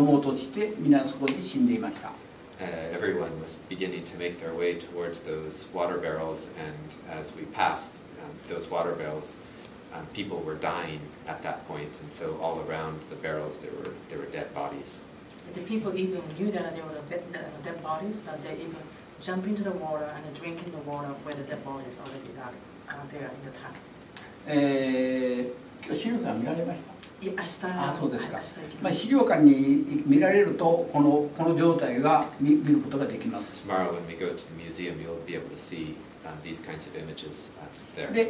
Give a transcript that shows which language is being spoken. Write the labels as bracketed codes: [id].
[ja] その水をみんな飲もうとして、そこへ行って飲むと、みんなそれ死んでしまうんですね。次から次にそこの上に死んだ上の人って、その水を探して飲もうとして、みんなそこで死んでいました。 [en] Everyone was beginning to make their way towards those water barrels, and as we passed those water barrels, people were dying at that point, and so all around the barrels there were dead bodies. The people even knew that there were dead bodies, but they even jump into the water and drink in the water where the dead bodies already are there in the tanks. [ja] 資料館見られました。あ、そうですか。資料館に見られると、この状態が見ることができます。 [en] Tomorrow when we go to the museum, you'll be able to see these kinds of images there.